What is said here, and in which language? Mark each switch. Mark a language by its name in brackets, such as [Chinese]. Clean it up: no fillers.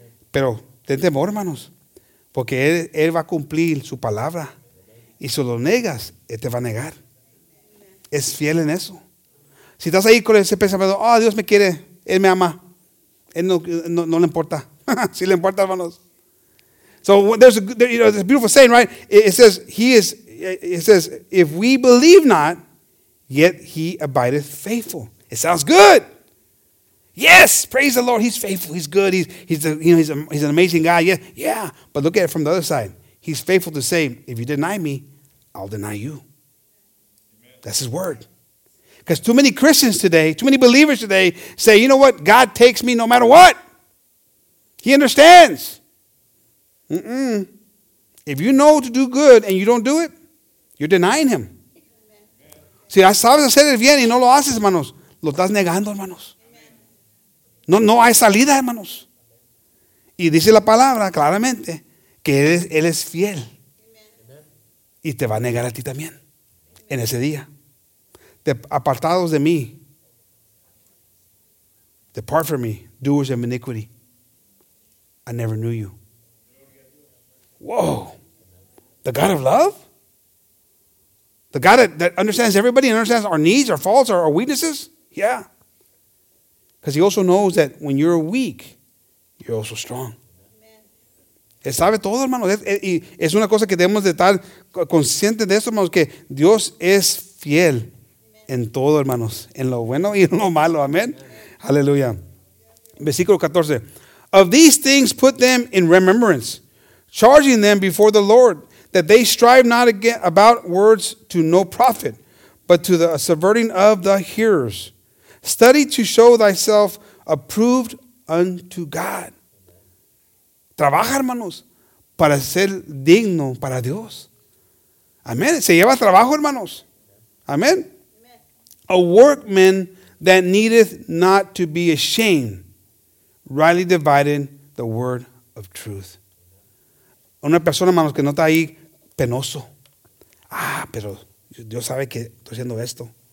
[Spanish] Pero ten temor, hermanos, porque él va a cumplir su palabra. Y si lo negas, él te va a negar. Es fiel en eso. Si estás ahí con ese pensamiento, oh, Dios me quiere, él me ama, él no le importa. Sí le importa, hermanos. [English] So there's a beautiful saying, right? It says, if we believe not, yet he abideth faithful. It sounds good. Yes, praise the Lord. He's faithful. He's good. He's an amazing guy. Yeah, yeah. But look at it from the other side. He's faithful to say, if you deny me, I'll deny you. Amen. That's his word. Because too many Christians today, too many believers today say, you know what? God takes me no matter what. He understands. Mm-mm. If you know to do good and you don't do it, you're denying him. [Spanish] Si sabes hacer el bien y no lo haces, hermanos, lo estás negando, hermanos. No hay salida, hermanos. Y dice la palabra claramente que él es fiel. Y te va a negar a ti también en ese día. Apartados de mí. [English] Depart from me, doers of iniquity. I never knew you. Whoa. The God of love? The God that understands everybody and understands our needs, our faults, our weaknesses? Yeah. Because he also knows that when you're weak, you're also strong. [Spanish] Amen. Él sabe todo, hermano. Y es una cosa que debemos de estar conscientes de eso, hermanos, que Dios es fiel. Amen. En todo, hermanos. En lo bueno y en lo malo. Amén. Aleluya. Versículo 14. [English] Of these things put them in remembrance, charging them before the Lord, that they strive not about words to no profit, but to the subverting of the hearers. Study to show thyself approved unto God. [Spanish] Trabaja, hermanos, para ser digno para Dios. Amén. Se lleva trabajo, hermanos. Amén. [English] A workman that needeth not to be ashamed, rightly dividing the word of truth. [Spanish] Una persona, hermanos, que no está ahí penoso. Ah, pero Dios sabe que estoy haciendo esto.